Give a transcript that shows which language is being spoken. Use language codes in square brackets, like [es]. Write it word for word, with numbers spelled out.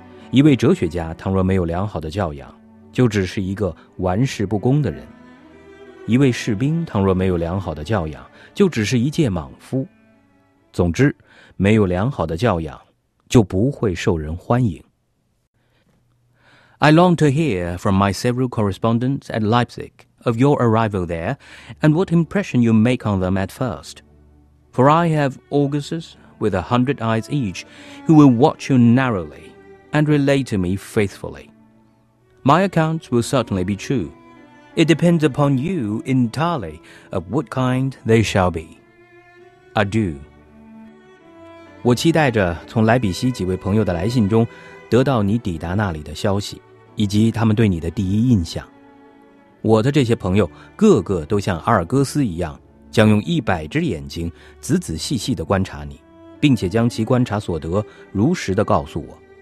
[zh] 一位哲学家倘若没有良好的教养，就只是一个玩世不恭的人。一位士兵倘若没有良好的教养，就只是一介莽夫。总之，没有良好的教养，就不会受人欢迎。 [en] I long to hear from my several correspondents at Leipzig of your arrival there and what impression you make on them at first. For I have augurs with a hundred eyes each, who will watch you narrowly and relate to me faithfully. My accounts will certainly be true. It depends upon you entirely of what kind they shall be. Adieu. [zh] 我期待着从莱比锡几位朋友的来信中得到你抵达那里的消息，以及他们对你的第一印象。我的这些朋友个个都像阿尔戈斯一样，将用一百只眼睛仔仔细细地观察你，并且将其观察所得如实地告诉我。